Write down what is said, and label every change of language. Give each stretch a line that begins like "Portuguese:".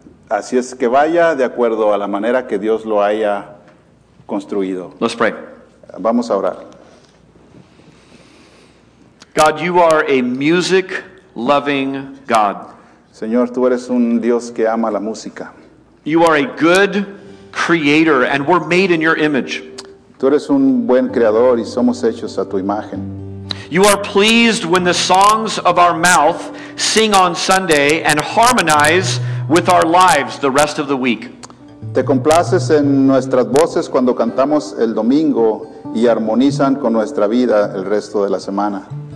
Spanish: Así es que vaya de acuerdo a la manera que Dios lo haya construido.
English: Let's pray.
Spanish: Vamos a orar.
English: God, you are a music loving God.
Spanish: Señor, tú eres un Dios que ama la música.
English: You are a good creator and we're made in your image.
Spanish: Tú eres un buen creador y somos hechos a tu imagen.
English: You are pleased when the songs of our mouth sing on Sunday and harmonize with our lives the rest of the week.
Spanish: Te complaces en nuestras voces cuando cantamos el domingo y armonizan con nuestra vida el resto de la semana.